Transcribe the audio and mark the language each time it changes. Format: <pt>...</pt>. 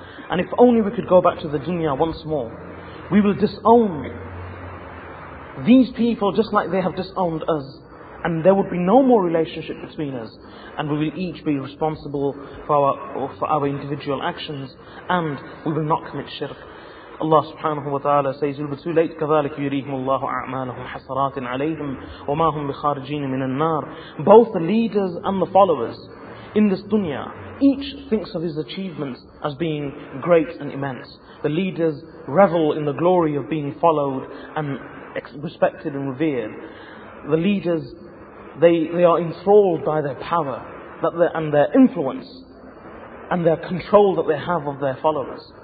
<en>And if only we could go back to the dunya once more, we will disown these people just like they have disowned us. And there would be no more relationship between us. And we will each be responsible for our individual actions. And we will not commit shirk." Allah subhanahu wa ta'ala says, "It'll be too late.</en> <ar>كذلك يريهم الله أعمالهم حسرات عليهم وما هم بخارجين من النار."</ar> <en>Both the leaders and the followers in this dunya, each thinks of his achievements as being great and immense. The leaders revel in the glory of being followed and respected and revered. The leaders, they are enthralled by their power and their influence and their control that they have of their followers.</en>